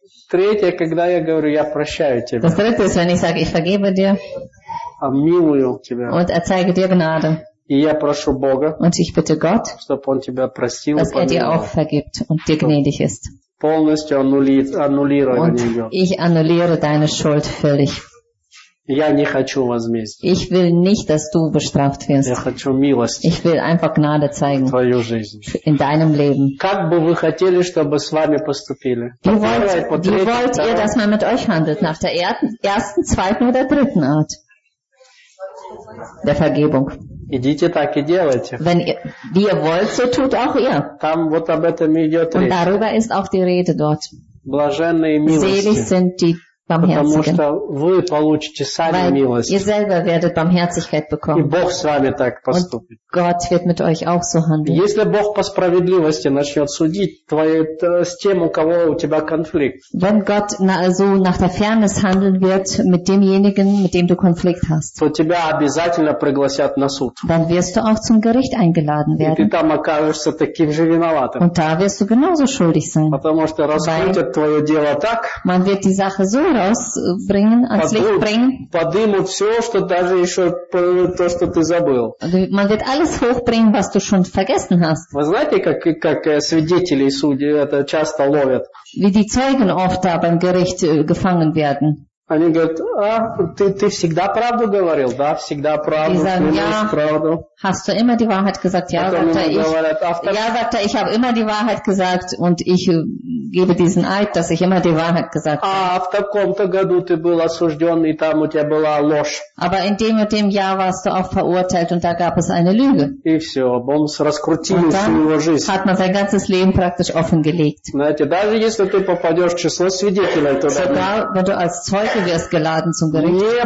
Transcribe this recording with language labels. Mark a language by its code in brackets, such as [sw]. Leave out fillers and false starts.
[ru] Третье, когда я говорю, я прощаю тебя. [de] Das dritte ist, wenn ich sage, ich vergebe dir. [ru] Обмилую тебя. [de] Und erzeige dir Gnade. [ru] И я прошу Бога. [de] Und ich bitte Gott. [ru] Чтоб он тебя простил. [de] Dass er dir auch vergibt und dir gnädig ist. [ru] Полностью аннулирую ее. [de] Und ich annulliere deine Schuld völlig. [ru] Я не хочу возмездия. [de] Ich will nicht, dass du bestraft wirst. [ru] Я хочу милости. [de] Ich will einfach Gnade zeigen. [ru] В твою жизнь. [de] In deinem Leben. [ru] Как бы вы хотели, чтобы с вами поступили? [de] Wie wollt ihr, dass man mit euch handelt? Nach der ersten, zweiten oder dritten Art der Vergebung. [ru] Идите так и делайте. [de] Wenn ihr wollt, so tut auch ihr. [ru] Там вот об этом и идет речь. [de] Und darüber ist auch die Rede dort. [ru] Блаженные милости. [de] Selig sind die [ru] Потому что вы получите сами [de] Weil [ru] милость. [de] Ihr selber werdet Barmherzigkeit bekommen. [ru] И Бог с вами так поступит. [de] Und Gott wird mit euch auch so handeln. [ru] Если Бог по справедливости начнет судить твою с тем, у кого у тебя конфликт. [de] Wenn Gott also nach der Fairness handeln wird mit demjenigen, mit dem du Konflikt hast. [ru] То тебя обязательно пригласят на суд. [de] Dann wirst du auch zum Gericht eingeladen werden. [ru] И ты там окажешься таким же виноватым. [de] Und da wirst du genauso schuldig sein. [ru] Потому что раскрутят твое дело так. [de] Man wird die Sache so rausbringen, ans Licht bringen. [ru] Подымут все, что даже еще то, что ты забыл. [de] Man wird alles hochbringen, was du schon vergessen hast. [ru] Вы знаете, как свидетели и судьи это часто ловят? [de] Wie die Zeugen oft da beim Gericht gefangen werden. [ru] Они говорят, ты всегда правду говорил, да, всегда правду, [de] die sagen, ja, [ru] правду. [de] Hast du immer die Wahrheit gesagt? Ja, sagte ich habe immer die Wahrheit gesagt und ich gebe diesen Eid, dass ich immer die Wahrheit gesagt habe. [ru] А в таком-то году ты был осужден и там у тебя была ложь. [de] Aber in dem und dem Jahr warst du auch verurteilt und da gab es eine Lüge. [ru] И все, бомс раскрутили всю его жизнь. [de] Hat man sein ganzes Leben praktisch offengelegt. [ru] Знаете, даже если ты попадешь в число свидетелей, то да. [de] Du wirst geladen zum Gericht.